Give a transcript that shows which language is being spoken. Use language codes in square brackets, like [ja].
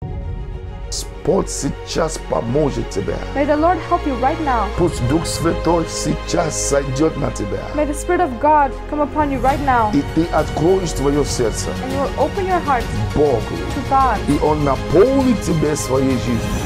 [ru] Господь сейчас поможет тебе. [en] May the Lord help you right now. [ru] Пусть Дух Святой сейчас сойдет на тебя. [en] May the Spirit of God come upon you right now. [ru] И ты откроешь твое сердце. [en] And you will open your heart [ru] Богу. [en] To God. [ru] И Он наполнит тебя своей жизнью.